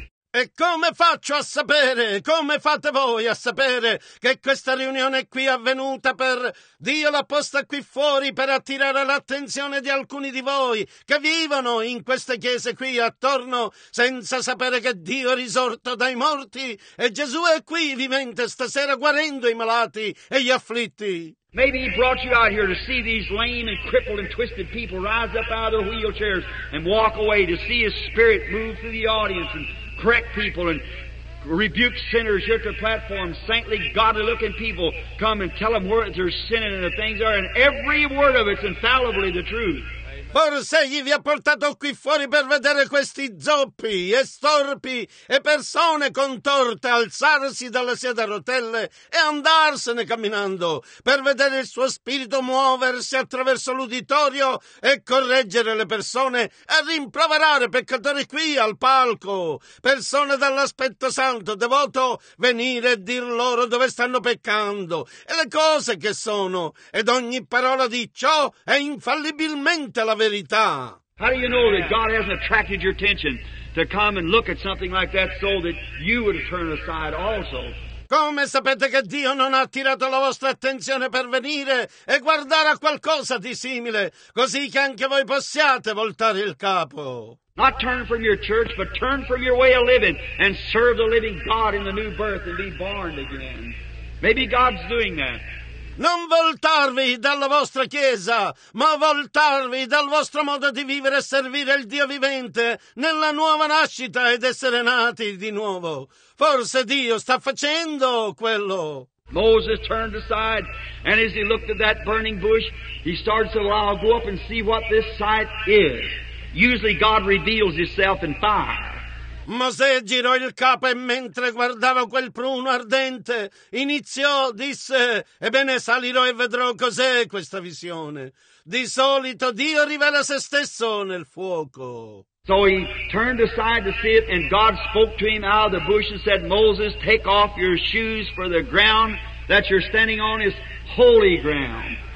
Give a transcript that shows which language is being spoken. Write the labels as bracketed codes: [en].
[it] E come faccio a sapere, come fate voi a sapere che questa riunione qui è avvenuta per Dio l'ha posta qui fuori per attirare l'attenzione di alcuni di voi che vivono in queste chiese qui attorno senza sapere che Dio è risorto dai morti e Gesù è qui vivente stasera guarendo i malati e gli afflitti. [en] Maybe he brought you out here to see these lame and crippled and twisted people rise up out of their wheelchairs and walk away, to see his spirit move through the audience and correct people and rebuke sinners here at the platform, saintly, godly-looking people come and tell them where they're sinning and the things are, and every word of it's infallibly the truth. [it] Forse gli vi ha portato qui fuori per vedere questi zoppi e storpi e persone contorte alzarsi dalla sedia a rotelle e andarsene camminando per vedere il suo spirito muoversi attraverso l'uditorio e correggere le persone e rimproverare peccatori qui al palco, persone dall'aspetto santo, devoto, venire e dir loro dove stanno peccando e le cose che sono ed ogni parola di ciò è infallibilmente la verità. [en] How do you know that God hasn't attracted your attention to come and look at something like that so that you would turn aside also? [it] Come sapete che Dio non ha attirato la vostra attenzione per venire e guardare a qualcosa di simile, così che anche voi possiate voltare il capo? [en] Not turn from your church, but turn from your way of living and serve the living God in the new birth and be born again. Maybe God's doing that. [it] Non voltarvi dalla vostra chiesa, ma voltarvi dal vostro modo di vivere e servire il Dio vivente nella nuova nascita ed essere nati di nuovo. Forse Dio sta facendo quello. [en] Moses turned aside, and as he looked at that burning bush, he started to say, well, I'll go up and see what this sight is. Usually God reveals himself in fire. [it] Mosè girò il capo e mentre guardava quel pruno ardente, iniziò, disse, ebbene salirò e vedrò cos'è questa visione. Di solito Dio rivela se stesso nel fuoco. [en] So he turned aside to see it and God spoke to him out of the bush and said, Moses, take off your shoes for the ground that you're standing on is holy ground.